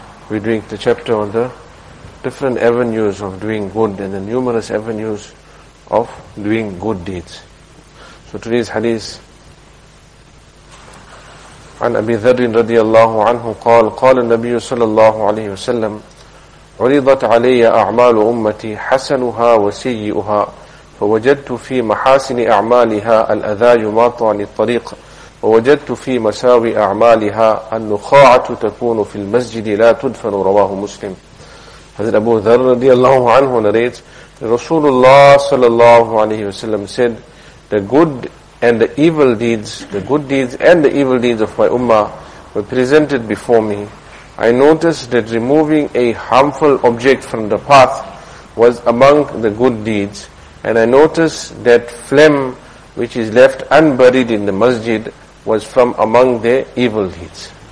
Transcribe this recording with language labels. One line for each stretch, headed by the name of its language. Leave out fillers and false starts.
English: We're doing the chapter on the different avenues of doing good and the numerous avenues of doing good deeds. So today's hadith,
Arabic: عن أبي ذر رضي الله عنه قال قال النبي صلى الله عليه وسلم عرضت علي أعمال أمتي حسنها وسيئها فوجدت في محاسن أعمالها الأذى يماط عن الطريق ووجدت في مساوي أعمالها النخاعة تكون في المسجد لا تدفن رواه مسلم.
English: حضرت أبو ذر
Arabic: رضي الله عنه
English: narrates رسول الله
Arabic: صلى الله عليه وسلم
English: said the good and the evil deeds, the good deeds and the evil deeds of my ummah were presented before me. I noticed that removing a harmful object from the path was among the good deeds, and I noticed that phlegm which is left unburied in the masjid was from among the evil deeds.